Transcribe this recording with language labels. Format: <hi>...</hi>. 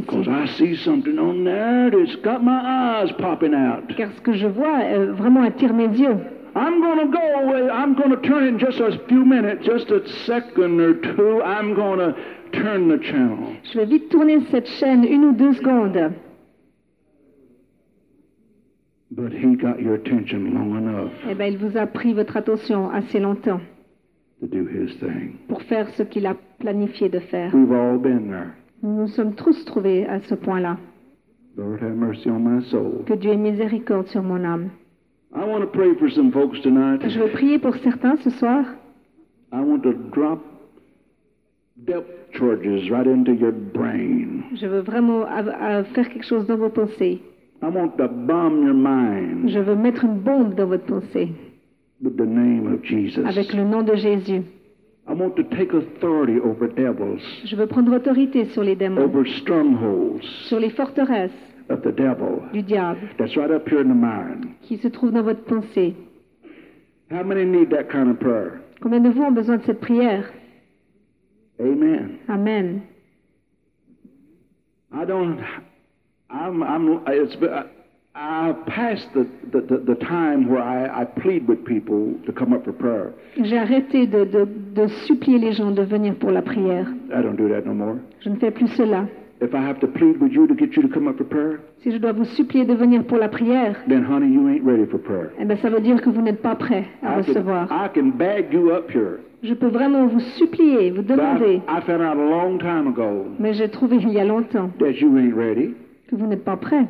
<en>Because I see something on there that's got my eyes popping out.</en> <fr>Car ce que je vois vraiment attire mes yeux.</fr> <en>I'm gonna go away. I'm gonna turn in just a few minutes, just a second or two. I'm gonna turn the channel.</en> <fr>Je vais vite tourner cette chaîne une ou deux secondes.</fr> <en>But he got your attention long enough.</en> <fr>Eh bien, il vous a pris votre attention assez longtemps.</fr> <en>To do his thing.</en> <fr>Pour faire ce qu'il a planifié de faire.</fr> <en>We've all been there.</en> <fr>Nous nous sommes tous trouvés à ce point-là.</fr> <en>Lord, have mercy on my soul.</en> <fr>Que Dieu ait miséricorde sur mon âme.</fr> <en>I want to pray for some folks tonight.</en> <fr>Je veux prier pour certains ce soir.</fr> <en>I want to drop depth charges right into your brain.</en> <fr>Je veux vraiment faire quelque chose dans vos pensées.</fr> <en>I want to bomb your mind.</en> <fr>Je veux mettre une bombe dans votre pensée.</fr> <en>With the name of Jesus.</en> <fr>Avec le nom de Jésus.</fr> <en>I want to take authority over devils.</en> <fr>Je veux prendre autorité sur les démons.</fr> <en>Over strongholds.</en> <fr>Sur les forteresses.</fr> <en>Of the devil.</en> <fr>Du diable.</fr> <en>That's right up here in the mind.</en> <fr>Qui se trouve dans votre pensée.</fr> <en>How many need that kind of prayer?</en> <fr>Combien de vous ont besoin de cette prière?</fr> <en>Amen.</en> <fr>Amen.</fr> <en>I don't. I passed the time where I plead with people to come up for prayer.</en> <fr>J'ai arrêté de supplier les gens de venir pour la prière.</fr> <en>I don't do that no more.</en> <fr>Je ne fais plus cela.</fr> <en>If I have to plead with you to get you to come up for prayer,</en> <fr>si je dois vous supplier de venir pour la prière,</fr> <en>then honey, you ain't ready for prayer.</en> <fr>Eh bien, ça veut dire que vous n'êtes pas prêt à recevoir.</fr> <en>I can bag you up here.</en> <fr>Je peux vraiment vous supplier, vous demander.</fr> <en>I found out a long time ago.</en> <fr>Mais j'ai trouvé il y a longtemps.</fr> <en>That you ain't ready.</en> <fr>Que vous n'êtes pas prêt.</fr>